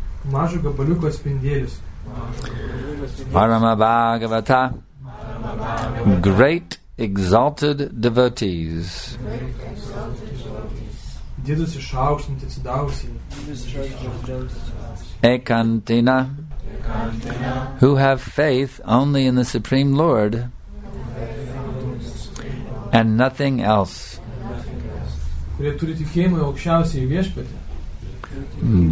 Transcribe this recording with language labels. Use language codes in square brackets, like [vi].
[lt] Mažo gabaliuko spindėlis. [en] Parama Bhagavata. Great exalted devotees. [lt] Didus išaukštinti atsidavusi. [sa] Ekantina. [en] Who have faith only in the Supreme Lord and nothing else. [lt] Kurie turi tikėjimą į aukščiausiąjį viešpatį.